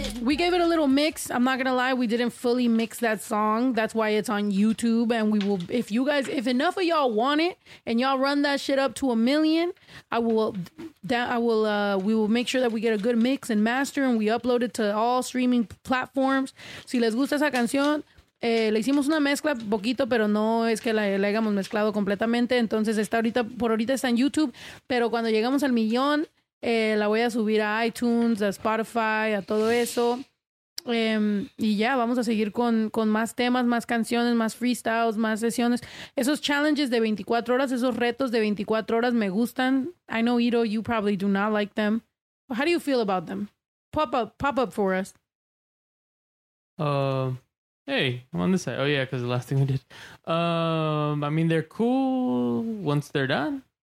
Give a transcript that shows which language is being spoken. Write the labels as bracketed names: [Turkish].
[English] We gave it a little mix. I'm not gonna lie, we didn't fully mix that song. That's why it's on YouTube. And we will, if you guys, if enough of y'all want it and y'all run that shit up to a million, we will make sure that we get a good mix and master and we upload it to all streaming platforms. [Spanish] Si les gusta esa canción, le hicimos una mezcla poquito, pero no es que la hayamos mezclado completamente. Entonces está ahorita, por ahorita está en YouTube, pero cuando llegamos al millón, la voy a subir a iTunes, a Spotify, a todo eso. Y ya, vamos a seguir con más temas, más canciones, más freestyles, más sesiones. Esos challenges de 24 horas, esos retos de 24 horas me gustan. [English] I know, Ido, you probably do not like them. But how do you feel about them? Pop up for us. Hey, I'm on this side. Oh, yeah, because the last thing we did. I mean, they're cool once they're done.